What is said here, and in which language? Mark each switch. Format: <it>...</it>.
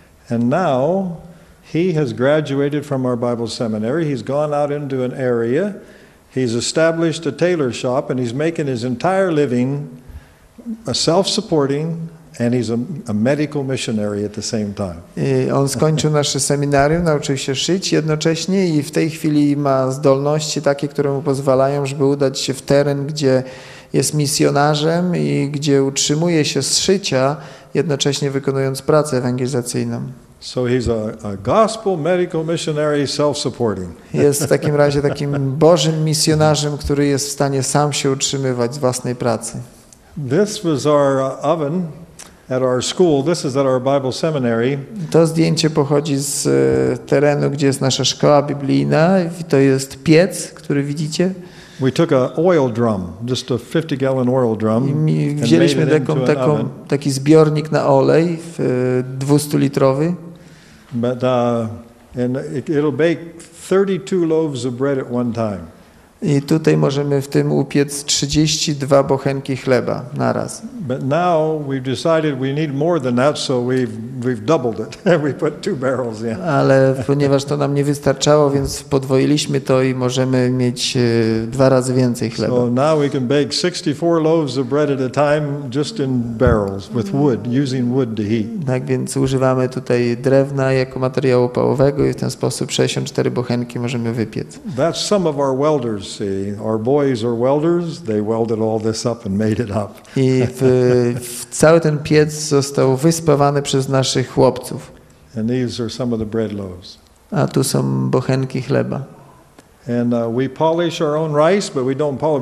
<en>And now he has graduated from our Bible seminary. He's gone out into an area. He's established a tailor shop and he's making his entire living a self-supporting. And he's a medical missionary at the same time.</en> <pl>I on skończył nasze seminarium, nauczył się szyć jednocześnie i w tej chwili ma zdolności takie, które mu pozwalają, żeby udać się w teren, gdzie jest misjonarzem i gdzie utrzymuje się z szycia, jednocześnie wykonując pracę ewangelizacyjną.</pl> <en>So he's a gospel medical missionary self-supporting.</en> <pl>Jest w takim razie takim Bożym misjonarzem, który jest w stanie sam się utrzymywać z własnej pracy.</pl> <en>This was our oven. At our school, this is at our Bible seminary.</en> <pl>To zdjęcie pochodzi z terenu, gdzie jest nasza szkoła biblijna. To jest piec, który widzicie.</pl> <en>We took an oil drum, just a 50-gallon oil drum.</en> <pl>I wzięliśmy taki zbiornik na olej, 200-litrowy.</pl> <en>But and it'll bake 32 loaves of bread at one time.</en> <pl>I tutaj możemy w tym upiec 32 bochenki chleba na raz.</pl> <en>But now we've decided we need more than that, so we've doubled it. We put two barrels in.</en> <pl>Ale ponieważ to nam nie wystarczało, więc podwoiliśmy to i możemy mieć dwa razy więcej chleba.</pl> <en>So now we can bake 64 loaves of bread at a time just in barrels with wood, using wood to heat.</en> <pl>Tak więc używamy tutaj drewna jako materiału opałowego i w ten sposób 64 bochenki możemy wypiec.</pl> <en>That's some of our welders. See, our boys are welders. They welded all this up and made it up.</en> <pl>I cały ten piec został wyspawany przez naszych chłopców.</pl> <en>And these are some of the bread loaves.</en> <pl>A tu są bochenki chleba.</pl> <en>And we polish our own rice, but we don't polish.</en>